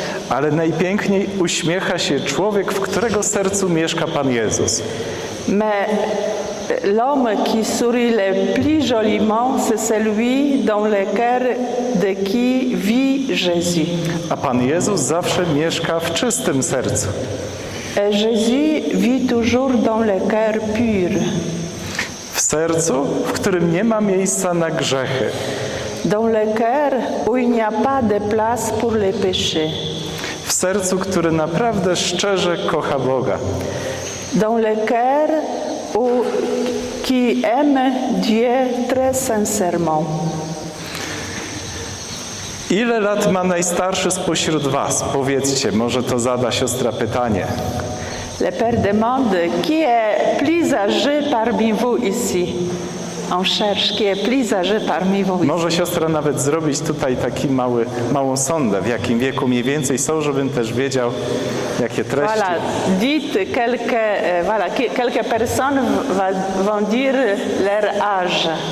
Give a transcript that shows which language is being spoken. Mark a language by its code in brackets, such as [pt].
[pl] Ale najpiękniej uśmiecha się człowiek, w którego sercu mieszka Pan Jezus. [fr] Mais l'homme qui sourit le plus joliment, c'est celui dans le cœur de qui vit Jésus. [pl] A Pan Jezus zawsze mieszka w czystym sercu. [fr] Jésus vit toujours dans le cœur pur. [pl] W sercu, w którym nie ma miejsca na grzechy. [fr] Dans le cœur où il n'y a pas de place pour les péchés. [pl] W sercu, które naprawdę szczerze kocha Boga. [fr] Dans le cœur où qui aime Dieu très sincèrement. [pl] Ile lat ma najstarszy spośród was? Powiedzcie, może to zada siostra pytanie. [fr] Le père demande qui est plus âgé parmi vous ici. On cherche qui est plus âgé parmi vous ici. [pl] Może siostra nawet zrobić tutaj taki małą sondę, w jakim wieku mniej więcej są, żebym też wiedział, jakie treści. [fr] Voilà, dites quelques personnes vont dire leur âge.